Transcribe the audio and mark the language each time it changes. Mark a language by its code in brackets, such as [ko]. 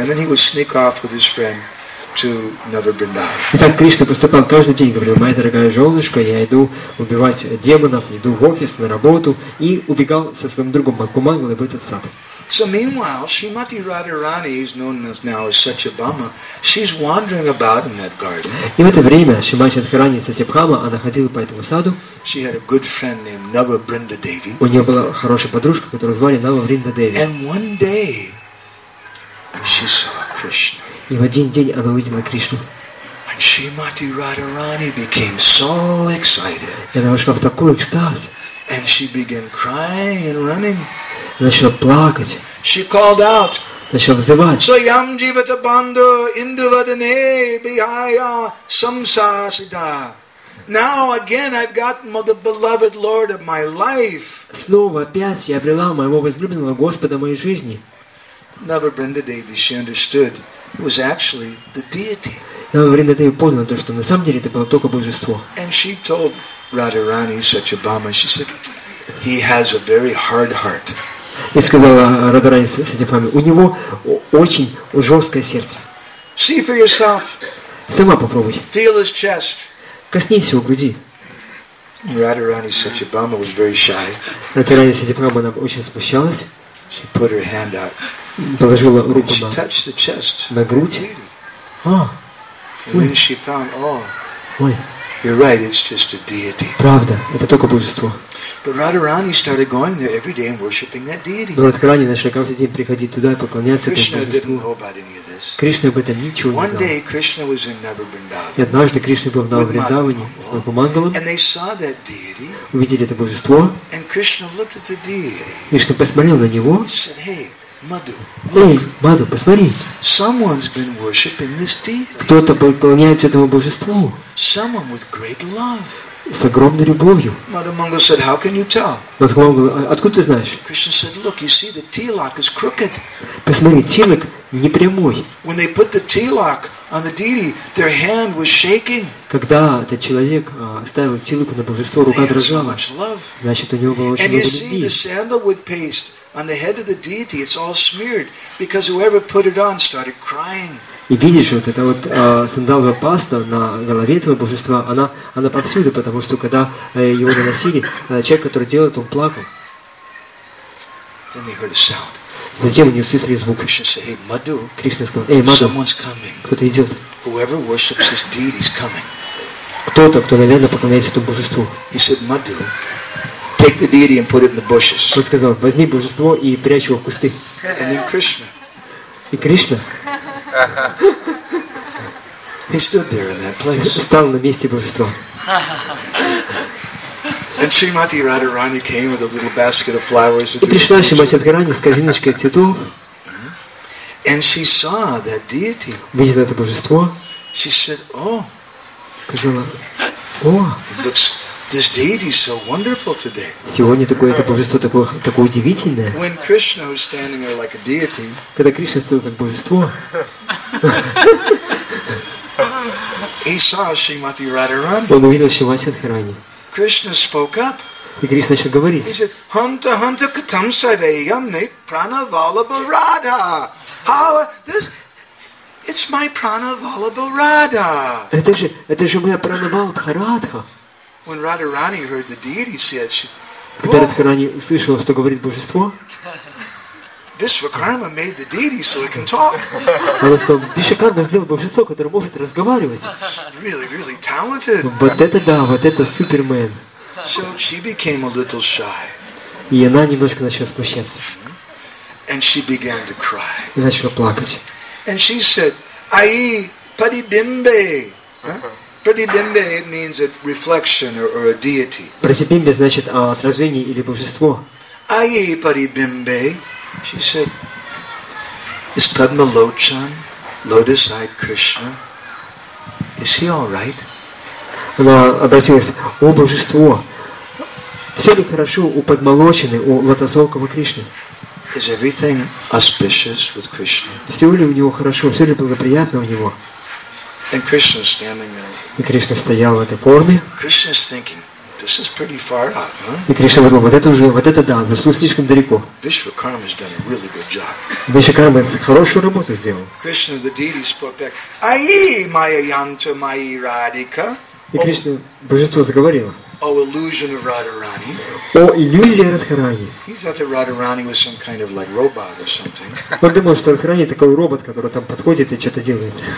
[en] And then he would sneak off with his friend to another Vrindavan. [ru] Итак, Кришна поступал каждый день, говорил: "Моя дорогая жёнушка, я иду убивать демонов, иду в офис на работу и убегал со своим другом Мангумангалой в этот сад." [en] So meanwhile, Srimati Radharani, who's known as now as Satyabhama, she's wandering about in that garden. [ru] И в это время Шримати Радхарани Сатьябхама, она ходила по этому саду. [en] She had a good friend named Navabrinda Devi. [ru] У неё была хорошая подружка, которую звали Навабринда Деви. [en] And one day, she saw Krishna. [ru] И в один день она увидела Кришну. [en] And Srimati Radharani became so excited. [ru] И она вошла в такой экстаз. [en] And she began crying and running. [ru] Начала плакать. [en] She called out. [ru] Начала взывать. [sa] Свайам живата бандо индувадане бихая самсасида. [en] Now again I've gotten the beloved Lord of my life. [ru] Снова опять я обрела моего возлюбленного Господа моей жизни. [en] Navabrinda Devi, she understood, was actually the deity. [ru] Navabrinda Devi поняла то, что на самом деле это было только божество. [en] And she told Radharani Satyabhama, she said, he has a very hard heart. [ru] И сказала Радхарани с этим фами, у него очень жесткое сердце. [en] See for yourself. [ru] Сама попробуй. [en] Feel his chest. [ru] Коснись его груди. [en] Радхарани Сатьябхама was very shy. [ru] Радхарани Сатьябхама, она очень смущалась. [en] She put her hand out. [ru] Положила руку [en] she touched the chest. [ru] На грудь. [en] And then she found, oh, you're right, it's just a deity. [ru] Правда, это только божество. [en] But Radharani started going there every day and worshiping that deity. [ru] Но Радхарани начала каждый день приходить туда и поклоняться этому божеству. [en] Krishna didn't know about any of this. [ru] Кришна об этом ничего не знал. [en] One day Krishna was in Navabrindavan. [ru] И однажды Кришна был в Навабриндаване с Мангумангалом. [en] And they saw that deity. [ru] Увидели это божество. [en] And Krishna looked at the deity. [ru] Кришна посмотрел на него. [en] He said, "Hey, Madhu, look. [ru] Madhu, посмотри. [en] Someone's been worshiping this deity. [ru] Кто-то поклоняется этому божеству. [en] Someone with great love." [ru] С огромной любовью. [en] Mother Mangal said, "How can you tell?" [ru] Откуда ты знаешь? [en] Krishna said, "Look, you see the tilak is crooked." [ru] Посмотри, тилок не прямой. [en] When they put the tilak on the deity, their hand was shaking. [ru] Когда этот человек ставил тилок на божество, рука дрожала. Значит, у него было очень много любви. [en] And you see the sandalwood paste on the head of the deity, it's all smeared because whoever put it on started crying. [ru] И видишь, вот эта вот сандаловая паста на голове этого божества, она повсюду, потому что когда его наносили, человек, который делал это, он плакал. [en] Then they heard a sound. [ru] Затем они услышали звук. [en] Krishna said, "Hey, Madhu, [ru] Krishna сказал, "Эй, Madhu, [en] someone's coming. [ru] Кто-то идет. [en] Whoever worships this deity is coming." [ru] Кто-то, кто, наверное, поклоняется этому божеству. [en] He said, "Madhu, take the deity and put it in the bushes." [ru] Он сказал, возьми божество и прячь его в кусты. [en] And then Krishna. [ru] И Кришна. [en] He stood there in that place. [ru] Стал на месте божества. [en] And Srimati Radharani came with a little basket of flowers. [ru] И пришла Шримати Радхарани с корзиночкой цветов. [en] And she saw that deity. [ru] Видела это божество. [en] She said, "Oh." [ru] Сказала, "О." [en] Looks, this deity is so wonderful today. [ru] Сегодня такое это божество такое удивительное. [en] When Krishna was standing there like a deity. [ru] Когда Кришна стоял как божество. [en] He saw Srimati Radharani. [ru] Он увидел Шримати Радхарани. [en] Krishna spoke up. [ru] И Кришна начал говорить. [en] He said, [sa] "Hanta hanta katam sadayam me prana valabha radha. [en] How this? It's my prana valabha radha." [ru] Это же моя прана валабха радха. [en] When Radharani heard the deity say it, [ru] когда Радхарани услышала, что говорит божество. [en] Vishvakarma made the deity so it can talk. [ru] Она сказала, Вишвакарма сделал божество, которое может разговаривать. [en] Really, really talented. [ru] Вот это да, вот это супермен. [en] So she became a little shy. [ru] И она немножко начала смущаться. [en] And she began to cry. [ru] И начала плакать. [en] And she said, "Ai, Pratibimbe." Pratibimbe means a reflection or a deity. [ru] Пратибимбе значит отражение или божество. [en] Ai, Pratibimbe. She said, is Padmalochan, lotus-eyed Krishna, is he all right? [ru] Она обратилась, о божество, все ли хорошо у Падмалочаны, у лотосового Кришны? [en] Is everything auspicious with Krishna? [ru] Все ли у него хорошо, все ли благоприятно у него? [en] And Krishna standing there. [ru] И Кришна стоял в этой форме. [en] Krishna's thinking, this is pretty far out, huh? [ru] И Кришна подумал, вот это уже, вот это да, зашло слишком далеко. [en] Vishvakarma has done a really good job. [ru] Vishvakarma хорошую работу сделал. [en] Krishna, the deity, spoke back, Ai, Maya Yanta, Maya Radhika. [ru] И Кришна, божество заговорило. О иллюзии Радхарани. О иллюзии Радхарани. [en] He thought that Radharani was some kind of like robot or something. [ru] Он думал, что Радхарани такой робот, который там подходит и что-то делает.